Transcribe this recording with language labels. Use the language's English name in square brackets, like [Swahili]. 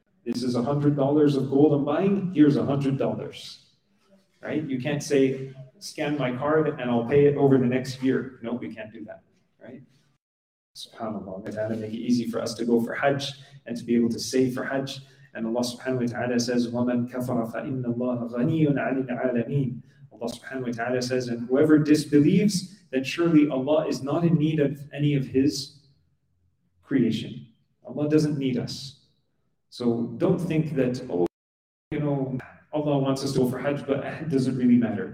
[English] This is $100 of gold I'm buying, here's $100. Right? You can't say, scan my card and I'll pay it over the next year. No, we can't do that. Right? SubhanAllah. May Allah make it easy for us to go for Hajj and to be able to save for Hajj. And Allah subhanahu wa ta'ala says, [Arabic] وَمَنْ كَفَرَ فَإِنَّ اللَّهَ غَنِيٌ عَنِ الْعَالَمِينَ. [English] Allah subhanahu wa ta'ala says, and whoever disbelieves, then surely Allah is not in need of any of His creation. Allah doesn't need us. So don't think that, Allah wants us to go for Hajj, but it doesn't really matter.